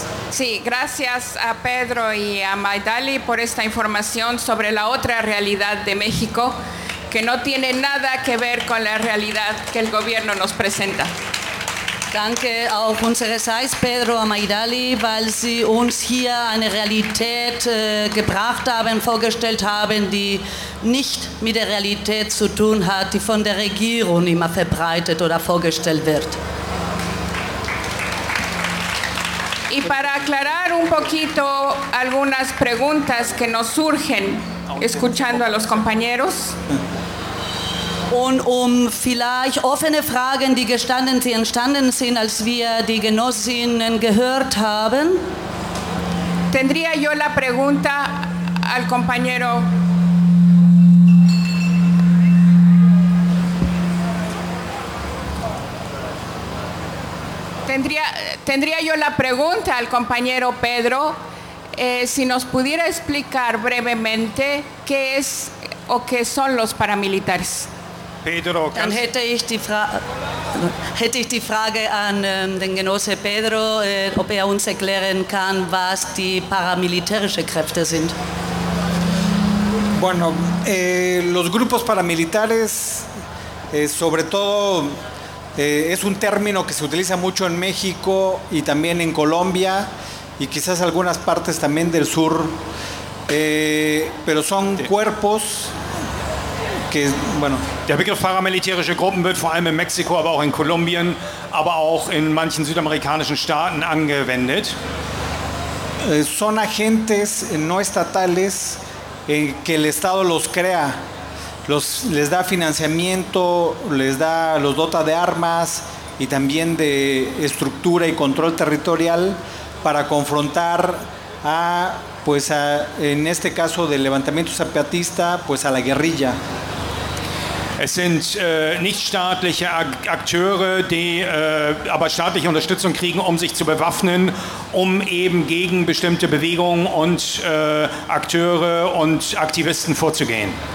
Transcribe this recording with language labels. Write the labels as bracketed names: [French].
[Spanish] Sí, gracias a Pedro y a Maidali por esta información sobre la otra realidad de México que no tiene nada que ver con la realidad que el gobierno nos presenta. [German] Danke auch unseres Seis, Pedro und Maidali, weil sie uns hier eine Realität gebracht haben, vorgestellt haben, die nicht mit der Realität zu tun hat, die von der Regierung immer verbreitet oder vorgestellt wird. [Spanish] Y para aclarar un poquito algunas preguntas que nos surgen escuchando a los compañeros. [German] Und um vielleicht offene Fragen, die gestanden sind, entstanden sind, als wir die Genossinnen gehört haben. [Spanish] Tendría yo la pregunta al compañero. Tendría yo la pregunta al compañero Pedro, si nos pudiera explicar brevemente qué es o qué son los paramilitares. Pedro, [German] dann hätte ich die Frage an den Genosse Pedro, ob er uns erklären kann, was die paramilitärischen Kräfte sind. [Spanish] Bueno, los grupos paramilitares, sobre todo, es un término que se utiliza mucho en México y también en Colombia y quizás algunas partes también del sur, pero son cuerpos. [German] Der Begriff paramilitärische Gruppen wird vor allem in Mexiko, aber auch in Kolumbien, aber auch in manchen südamerikanischen Staaten angewendet. [Spanish] Son agentes no estatales que el Estado los crea, les da financiamiento, los dota de armas y también de estructura y control territorial para confrontar a, pues a, en este caso del levantamiento zapatista, pues a la guerrilla. [German] Es sind nichtstaatliche Akteure, die aber staatliche Unterstützung kriegen, um sich zu bewaffnen, um eben gegen bestimmte Bewegungen und Akteure und Aktivisten vorzugehen.